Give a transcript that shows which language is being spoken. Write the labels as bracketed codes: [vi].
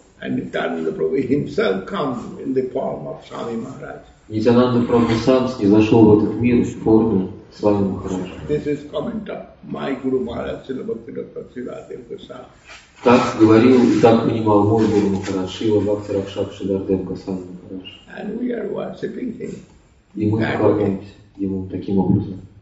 [en] And Nityananda Prabhu himself come in the form of Swami Maharaj. [ru] Nityananda Prabhu сам снизошел в этот мир в форме Свами Махараджа. [en] This is comment of my Guru Maharaj, Srila Bhakti Dr. Siddhartha Goswami. [ru] Так говорил и так понимал мой Guru Maharaj, Srila Bhakti Rakshak Siddhartha Goswami. [en] And we are worshipping him. [ru] И мы поклоняемся ему таким образом.